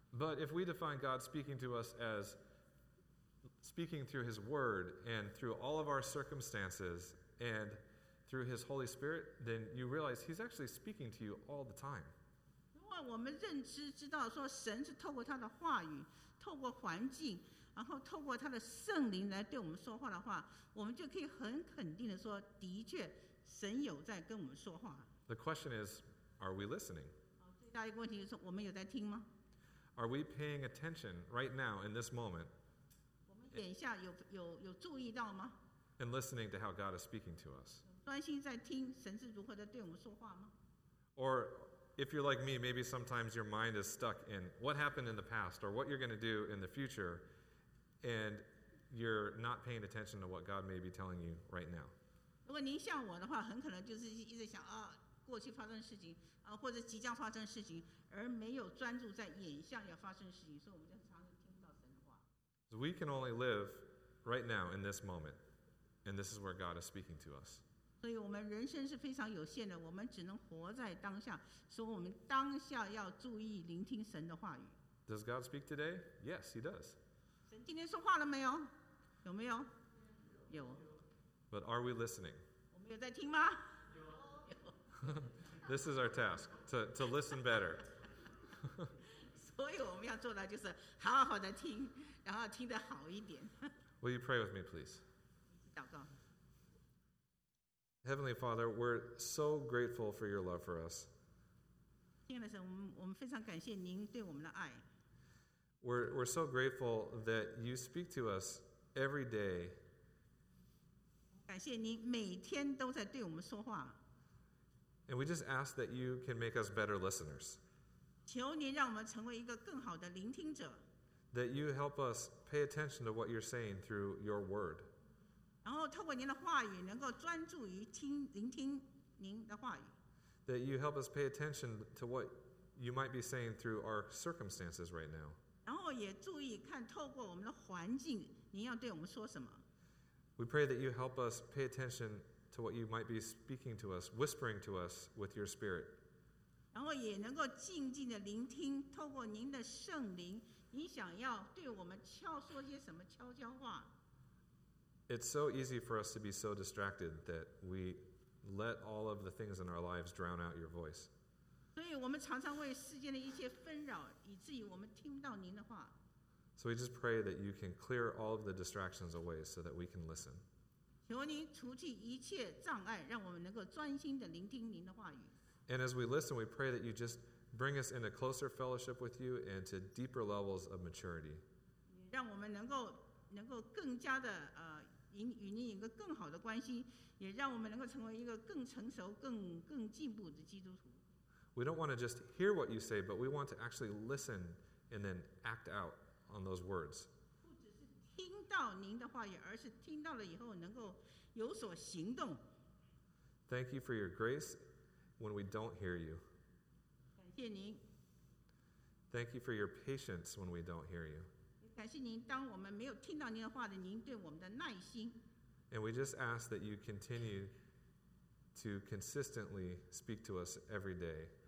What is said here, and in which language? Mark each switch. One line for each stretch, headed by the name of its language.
English: But if we define God speaking to us as speaking through His Word and through all of our circumstances and through His Holy Spirit, then you realize He's actually speaking to you all the time.
Chinese: 如果我们认知知道说神是透过他的话语、透过环境。然后透过他的圣灵来对我们说话的话，我们就可以很肯定的说，的确，神有在跟我们说话。
English: The question is, are we listening?
Chinese: 最大一个问题就是，我们有在听吗？
English: Are we paying attention right now in this moment?
Chinese: 我们眼下有注意到吗？
English: And listening to how God is speaking to us.
Chinese: 专心在听神是如何的对我们说话吗？
English: Or if you're like me, maybe sometimes your mind is stuck in what happened in the past or what you're going to do in the future. And you're not paying attention to what God may be telling you right now.
Chinese: 如果您像我的话，很可能就是一直想啊，过去发生的事情啊，或者即将发生的事情，而没有专注在眼下要发生的事情，所以我们就常常听不到神的话。
English: So we can only live right now in this moment, and this is where God is speaking to us.
Chinese: 所以我们人生是非常有限的，我们只能活在当下，所以我们当下要注意聆听神的话语。
English: Does God speak today? Yes, He does.
Chinese: 今天说话了没有？有没有？有。 But are we listening? 我们有在听吗？有。
English: This is our task, to listen better.
Chinese: 所以我们要做的就是好好的听，然后听得好一点。
English: Will you pray with me, please?
Chinese: 祷告。
English: Heavenly Father, we're so grateful for your love for us.
Chinese: 亲爱的神，我们非常感谢您对我们的爱。
English: We're so grateful that you speak to us every day.
Chinese: 感谢您每天都在对我们说话。
English: And we just ask that you can make us better listeners.
Chinese: 求您让我们成为一个更好的聆听者。
English: That you help us pay attention to what you're saying through your word.
Chinese: 然后透过您的话语能够专注于听聆听您的话语。
English: That you help us pay attention to what you might be saying through our circumstances right now.
Chinese: 然后也注意看透过我们的环境您要对我们说什么。
English: We pray that you help us pay attention to what you might be speaking to us, whispering to us with your spirit.
Chinese: 然后也能够静静的聆听透过您的圣灵你想要对我们敲说些什么悄悄话。
English: It's so easy for us to be so distracted that we let all of the things in our lives drown out your voice.
Chinese: 所以我们常常为世间的一些纷扰，以至于我们听不到您的话。
English: So we just pray that you can clear all of the distractions away so that we can listen.
Chinese: 求您除去一切障碍，让我们能够专心地聆听您的话语。
English: And as we listen, we pray that you just bring us into closer fellowship with you and to deeper levels of maturity.
Chinese: 让我们能够更加的与您有一个更好的关系，也让我们能够成为一个更成熟、更进步的基督徒。
English: We don't want to just hear what you say, but we want to actually listen and then act out on those words.
Chinese: 听到您的话语, 而是听到了以后, 能够有所行动。
English: Thank you for your grace when we don't hear you.
Chinese: 感谢您。
English: Thank you for your patience when we don't hear you.
Chinese: 感谢您, 当我们没有听到您的话语, 您对我们的耐心。
English: And we just ask that you continue to consistently speak to us every day.